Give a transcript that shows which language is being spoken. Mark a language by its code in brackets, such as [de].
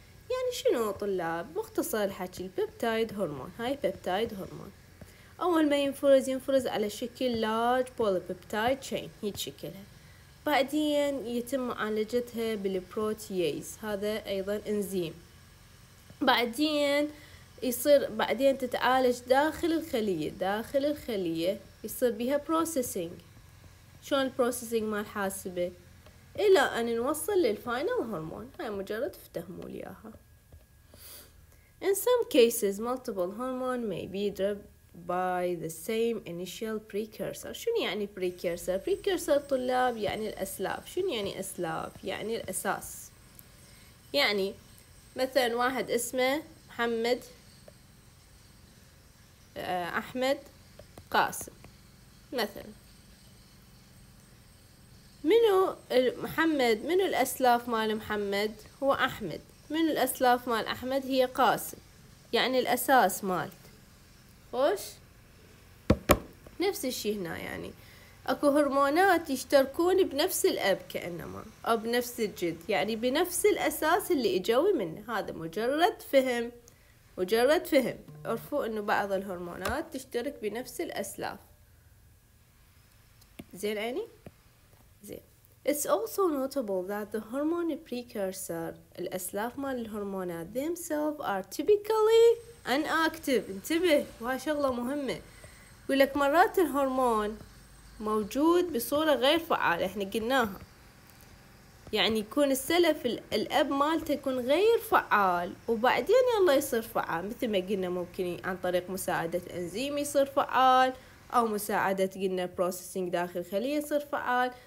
[ar] يعني شنو طلاب؟ مختصر الحكي، البيبتايد هرمون، هاي بيبتايد هرمون، اول ما ينفرز، ينفرز على شكل [en] large polypeptide chain, [ar] هي شكلها، بعدين يتم معالجتها بالبروتيز، هذا ايضا انزيم، بعدين يصير بعدين تتعالج داخل الخلية، داخل الخلية يصير بها بروسيسنج. شلون البروسيسنج مال حاسبة؟ الى ان نوصل للفاينل هرمون. هاي مجرد تفهموا ليها. [en] In some cases multiple hormone may be driven by the same initial precursor. [ar] شنو يعني precursor؟ precursor طلاب يعني الاسلاف. شنو يعني اسلاف؟ يعني الاساس. يعني مثلا واحد اسمه محمد احمد قاسم مثلا، منو محمد؟ منو الأسلاف مال محمد؟ هو أحمد. منو الأسلاف مال أحمد؟ هي قاسم، يعني الأساس مالت. خوش، نفس الشيء هنا. يعني أكو هرمونات يشتركون بنفس الأب كأنما، أو بنفس الجد، يعني بنفس الأساس اللي إجوي منه. هذا مجرد فهم، مجرد فهم. عرفوا إنه بعض الهرمونات تشترك بنفس الأسلاف. زين عيني؟ [en] It's also notable that the hormone precursor, [ar] الأسلاف مال الهرمونات [en] themselves are typically inactive. [ar] انتبه، وهي شغلة مهمة. يقول لك مرات الهرمون موجود بصورة غير فعالة، احنا قلناها. يعني يكون السلف الأب مالته يكون غير فعال، وبعدين يلا يصير فعال. مثل ما قلنا ممكن عن طريق مساعدة انزيم يصير فعال، أو مساعدة قلنا بروسيسنج داخل الخلية يصير فعال.